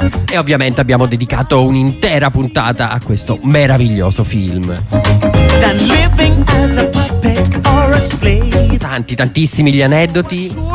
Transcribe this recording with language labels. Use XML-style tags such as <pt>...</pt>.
<it>E ovviamente abbiamo dedicato un'intera puntata a questo meraviglioso film.</it> <en>Than living as a puppet or a slave.</en> <it>Tanti, tantissimi gli aneddoti.</it>